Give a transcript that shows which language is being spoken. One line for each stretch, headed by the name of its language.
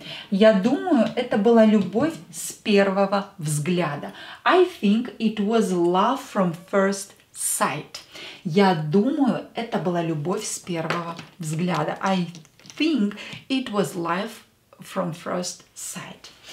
Russian: Я думаю, это была любовь с первого взгляда.
English: I think it was love from first sight.
Russian: Я думаю, это была любовь с первого взгляда.
English: I think it was love from first sight.